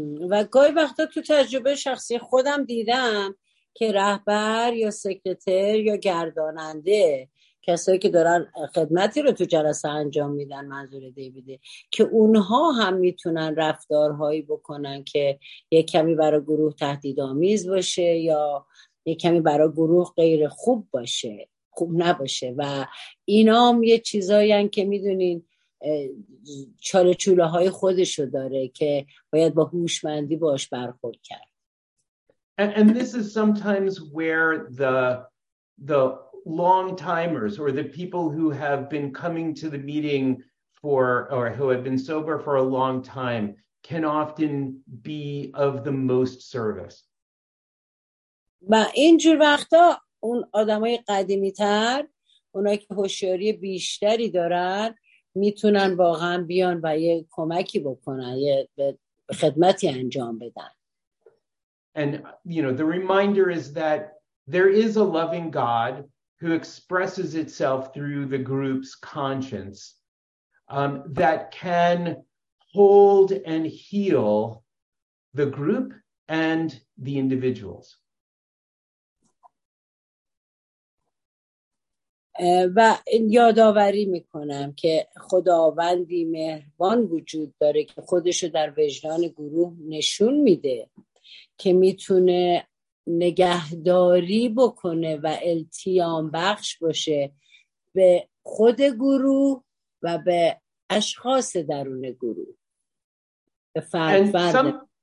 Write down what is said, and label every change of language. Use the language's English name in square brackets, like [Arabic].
[Persian] و گاهی وقتا تو تجربه شخصی خودم دیدم که رهبر یا سکرتر یا گرداننده، کسایی که دارن خدمتی رو تو جلسه انجام میدن، منظور دیویده، که اونها هم میتونن رفتارهایی بکنن که یک کمی برای گروه تهدیدآمیز باشه یا یک کمی برای گروه غیر خوب باشه، خوب نباشه. و اینا هم یه چیزایی هم که میدونین چاله چوله های خودشو داره که باید با هوشمندی باش برخورد کرد. [English] And this is sometimes where the long timers or the people who have been coming to the meeting for or who have been sober for a long time can often be of the most service. [Persian] و اینجور وقتا اون آدمای قدیمی تر، اونایی که هوشیاری بیشتری دارن، میتونن واقعا بیان و یه کمکی بکنن، یه خدمتی انجام بدن. [English] And you know, the reminder is that there is a loving God who expresses itself through the group's conscience that can hold and heal the group and the individuals. [Persian] و یادآوری میکنم که خداوندی مهربان وجود داره که خودشو در وجدان گروه نشون میده که میتونه نگهداری بکنه و التیام بخش باشه به خود گروه و به اشخاص درون گروه، به فرد فرد.